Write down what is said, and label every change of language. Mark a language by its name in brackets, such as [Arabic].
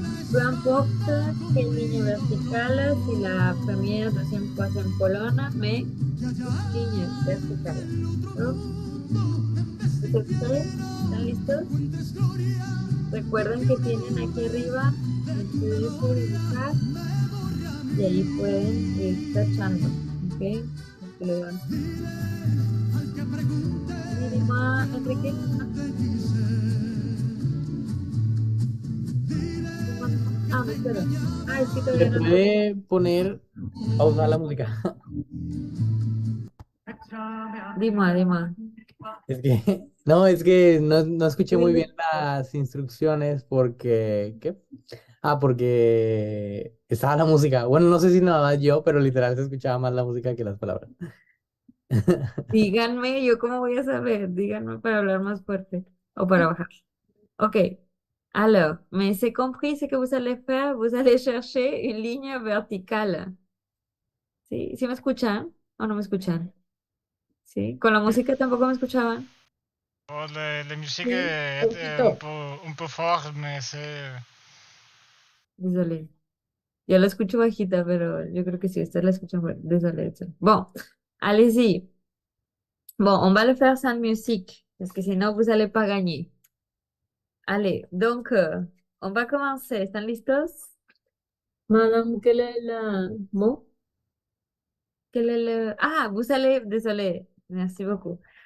[French] Peu importe quelle ligne verticale, si la première, deuxième, troisième colonne, mais ligne verticale. ¿Vous êtes prêts? [Spanish] ¿Están listos? Recuerden que tienen aquí arriba el estudio de dibujar y ahí pueden ir tachando. ¿Ok? Lo van. Enrique. Ah, me espero. Ah, es que todavía no puedo. puede poner pausa la música? Dima. Es que no, es que no escuché muy bien las instrucciones porque, ¿qué? Ah, porque estaba la música. Bueno, no sé si nada más yo, pero literal se escuchaba más la música que las palabras. Díganme, ¿yo cómo voy a saber? Díganme para hablar más fuerte o para bajar. Ok. [French] Alors, mais c'est compris ce que vous allez faire? Vous allez chercher une ligne verticale. [Spanish] ¿Sí? ¿Sí me escuchan o no me escuchan? ¿Sí? ¿Con la música tampoco me escuchaban? [French] La musique [Spanish] Sí, [French] est [Spanish] poquito. [French] un peu forte, mais [Spanish] Dale. Yo la escucho bajita, pero yo creo que sí, usted la escucha fuerte. [French] Bon, allez-y. Sí. Bon, on va le faire sans musique. [Spanish] Es que si no, [French] vous allez pas gagner. Allez, donc, on va commencer. [Spanish] ¿Están listos? [French] Madame, quelle est la mot? Quel est le. Ah, vous allez. Désolé, merci beaucoup.